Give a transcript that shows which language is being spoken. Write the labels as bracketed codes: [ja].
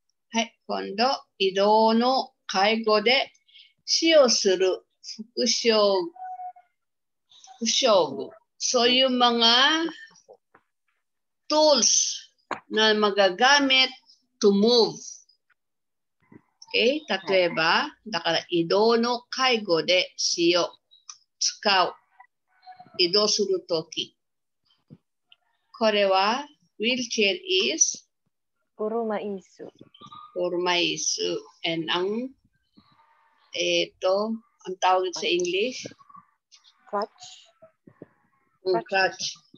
[ja] はい、今度、移動の介護で使用する副装具。そういうもの、 [en] tools の magagamit to move. [ja] Okay, 例えば、はい、だから移動の介護で使用、使う、移動するとき。これは、wheelchair is? 車椅子。車椅子。 [tl] And ang, ang tawag sa English? [en] Crutch. Crutch.